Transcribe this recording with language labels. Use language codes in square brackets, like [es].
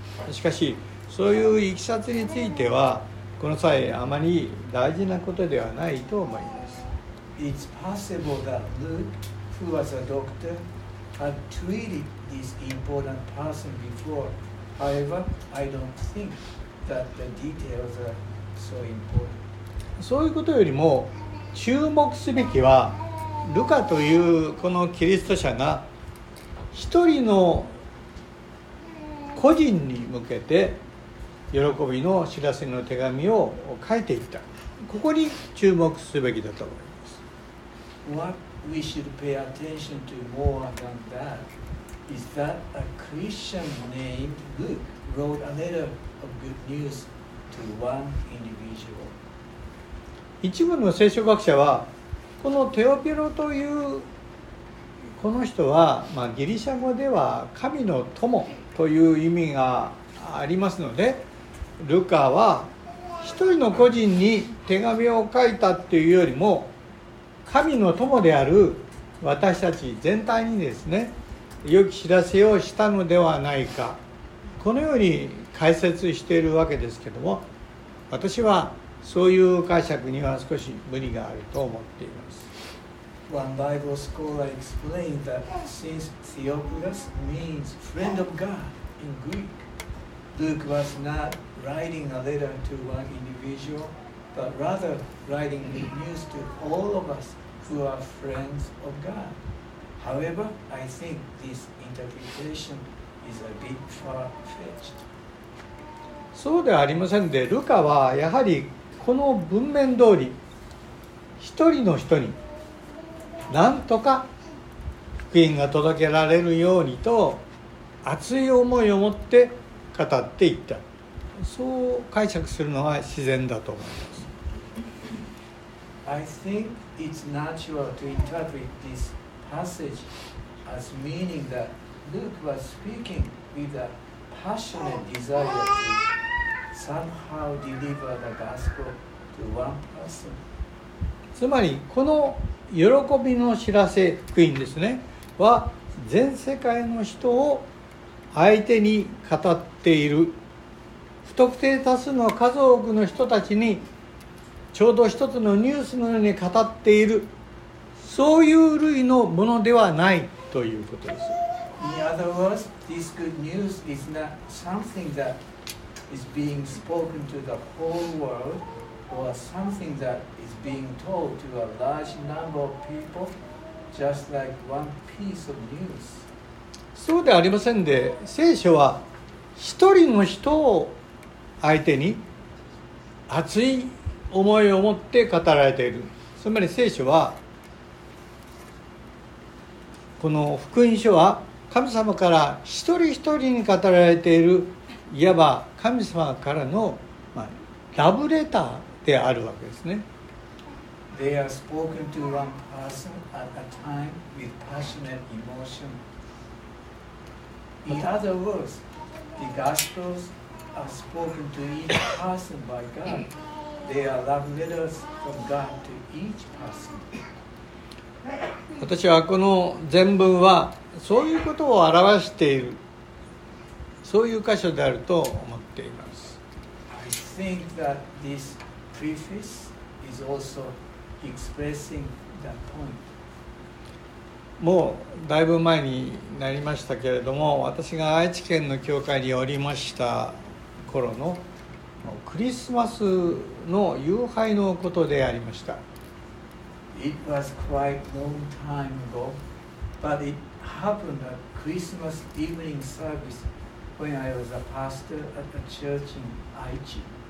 [ja] しかしそういういきさつについてはこの際あまり大事なことではないと思います。 [en] It's possible that Luke, who was a doctor, had treated this important person before. However, I don't think that the details are so important. [ja] そういうことよりも注目すべきはルカというこのキリスト者が一人の個人に向けて喜びの知らせの手紙を書いていった、ここに注目すべきだと思います。 [en] What we should pay attention to more than that is that a Christian named Luke wrote a letter of good news to one individual. [ja] 一部の聖書学者はこのテオピロというこの人は、まあ、ギリシャ語では神の友という意味がありますので、ルカは一人の個人に手紙を書いたっていうよりも神の友である私たち全体にですね、良き知らせをしたのではないか、このように解説しているわけですけども、私はそういう解釈には少し無理があると思っています。 [en] One Bible scholar explained that since Theophilus means friend of God in Greek, Luke was not writing a letter to one individual, but rather writing the news to all of us who are friends of God. However, I think this interpretation is a bit far-fetched. [ja] そうではありませんで、ルカはやはりこの文面通り一人の人になんとか福音が届けられるようにと熱い思いを持って語っていった、そう解釈するのは自然だと思います。 [en] I think it's natural to interpret this passage as meaning that Luke was speaking with a passionate desire to somehow deliver the gospel to one person. [ja] つまりこの喜びの知らせ福音ですねは全世界の人を相手に語っている、不特定多数の数多くの人たちにちょうど一つのニュースのように語っている、そういう類のものではないということです。 [en] In other words, this good news is not something that is being spoken to the whole world or something that is being told to a large number of people just like one piece of news. [ja] そうではありませんで、聖書は一人の人を相手に熱い思いを持って語られている、つまり聖書はこの福音書は神様から一人一人に語られている、いわば神様からの、まあ、ラブレターであるわけですね。 [en] They are spoken to one person at a time with passionate emotion. In other words, the Gospels are spoken to each person by God. They are love letters from God to each person. [ja] 私はこの全文はそういうことを表している、そういう箇所であると思っています。 [en] I think that this preface is also expressing that point. [ja] もうだいぶ前になりましたけれども、私が愛知県の教会におりました頃のクリスマスの夕拝のことでありました。 [en] It was quite long time ago, but it happened at Christmas evening service when I was a pastor at a church in Aichi.